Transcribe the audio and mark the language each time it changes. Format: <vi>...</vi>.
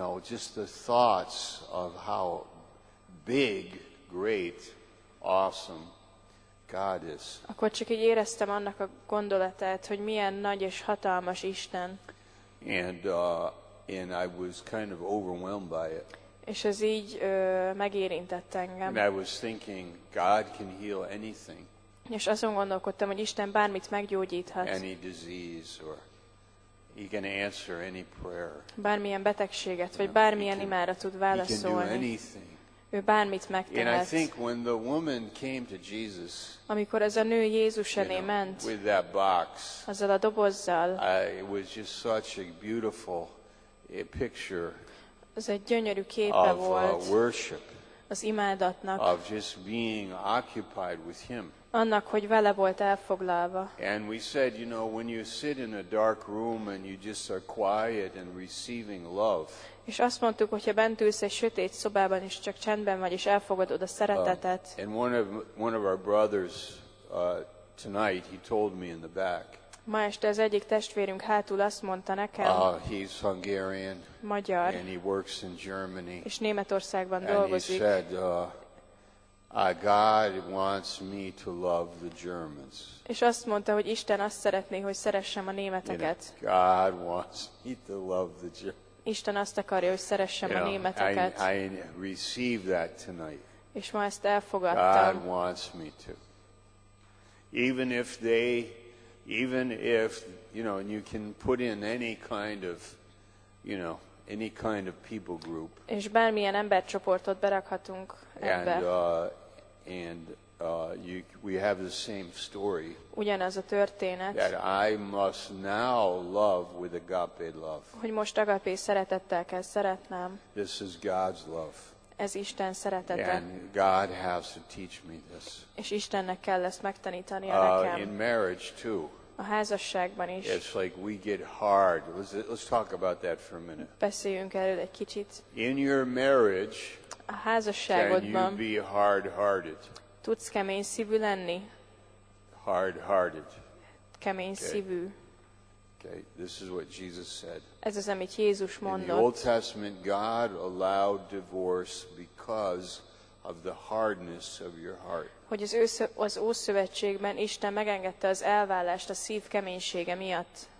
<en>Just the thoughts of how big, great, awesome God is.</en> <hu>Akkor csak így éreztem annak a gondolatát, hogy milyen nagy és hatalmas Isten.</hu> <en>And I was kind of overwhelmed by it.</en> <hu>És ez így megérintett engem.</hu> <en>And I was thinking, God can heal anything.</en> <hu>És azon gondolkodtam, hogy Isten bármit meggyógyíthat.</hu> <en>Any disease or He can answer any prayer.</en> <hu>Bármilyen betegséget, vagy bármilyen imára tud válaszolni.</hu> <en>He can do anything.</en> <hu>Ő bármit megtehet.</hu> <en>And I think when the woman came to Jesus,</en> <hu>amikor ez a nő Jézus elé ment,</hu> <en>with that box,</en> <hu>azzal a dobozzal,</hu> <en>it was just such a beautiful picture.</en> <hu>Ez egy gyönyörű képe volt.</hu> <en>Of worship.</en> <hu>Az imádatnak.</hu> <en>Of just being occupied with him.</en> <hu>Annak, hogy vele volt elfoglalva.</hu> <en>And we said, you know, when you sit in a dark room and you just are quiet and receiving love.</en> <hu>És azt mondtuk, hogyha bent ülsz egy sötét szobában és csak csendben vagy és elfogadod a szeretetet.</hu> <en>And one of our brothers tonight, he told me in the back.</en> <hu>Ma este az egyik testvérünk hátul azt mondta nekem.</hu> <en>He's Hungarian.</en> <hu>Magyar.</hu> <en>And he works in Germany.</en> <hu>És Németországban and dolgozik.</hu> <en>And he said, God wants me to love the Germans.</en> <hu>És azt mondta, hogy Isten azt szeretné, hogy szeressem a németeket.</hu> <en>You know, God wants me to love the Germans.</en> <hu>Isten azt akarja, hogy szeressem a németeket.</hu> <en>I receive that tonight.</en> <hu>És ma ezt elfogadtam.</hu> <en>God wants me to. Even if, you know, and you can put in any kind of, you know, any kind of people group.</en> <hu>És bármilyen embercsoportot berakhatunk ebbe.</hu> <en>And we have the same story.</en> <hu>Ugyanaz a történet.</hu> <en>That I must now love with agape love.</en> <hu>Hogy most agapé szeretettel kell szeretnem.</hu> <en>This is God's love.</en> <hu>Ez Isten szeretete.</hu> <en>And God has to teach me this.</en> <hu>És Istennek kell ezt megtanítani nekem.</hu> <en>In marriage too.</en> <hu>A házasságban is.</hu> <en>It's like we get hard. Let's talk about that for a minute.</en> <hu>Beszéljünk erről egy kicsit.</hu> <en>In your marriage,</en> <hu>a házasságodban,</hu> <en>can you be hard-hearted?</en> <hu>Tudsz kemény szívű lenni?</hu> <en>Hard-hearted.</en> <hu>Kemény szívű.</hu> <en>Okay, this is what Jesus said.</en> <hu>Ez az, amit Jézus mondott.</hu> <en>In the Old Testament, God allowed divorce because of the hardness of your heart.</en> <hu>Hogy az Ószövetségben Isten megengedte az elválást a szív keménysége miatt.</hu>